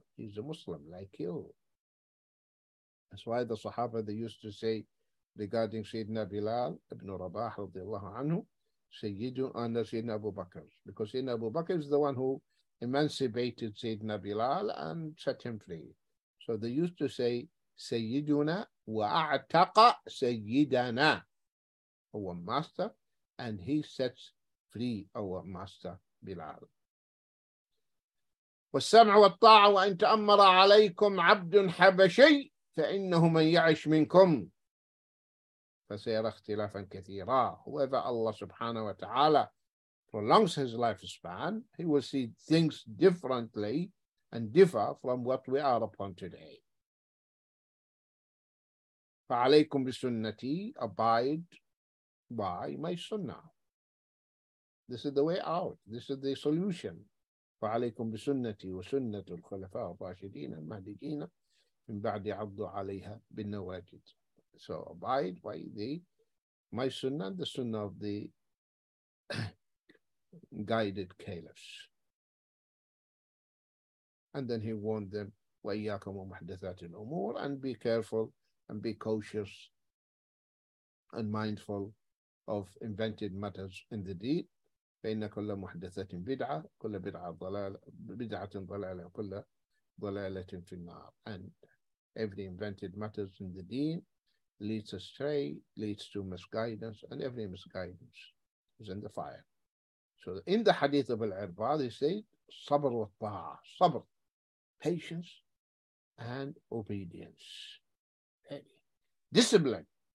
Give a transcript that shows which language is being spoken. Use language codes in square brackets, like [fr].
[en] He's a Muslim like you. That's why the Sahaba, they used to say regarding Sayyidina Bilal ibn Rabah radiallahu anhu, Sayyidu under Sayyidina Abu Bakr, because Sayyidina Abu Bakr is the one who emancipated Sayyidina Bilal and set him free. So they used to say, [ar] Sayyiduna wa'ataqa Sayyidana, [en] our master, and he sets free our master Bilal. [ar] والسمع والطاعة وإن تأمر عليكم عبد حبشي فإنه من يعش منكم. فسيرى اختلافا كثيرا. [en] Whoever Allah subhanahu wa ta'ala prolongs his lifespan, he will see things differently and differ from what we are upon today. [ar] فعليكم بسنتي, [en] abide by my sunnah. This is the way out. This is the solution. [ar] فعليكم بسنتي وسنة الخلفاء الراشدين المهديين من بعد عضوا عليها بالنواجد. [en] So abide by my sunnah, the sunnah of the guided caliphs. And then he warned them, [ar] وإياكم ومحدثات الأمور. [en] And be careful and be cautious and mindful of invented matters in the deed. [ar] فإن كل محدثة بدعة، كل بدعة ضلالة، بدعة ضلالة، كل ضلالة في النار. [en] And every invented matters in the deen leads astray, leads to misguidance, and every misguidance is in the fire. So in the hadith of Al-Irbad, they say, [ar] صبر والطاعة, [en] صبر, patience and obedience. Discipline.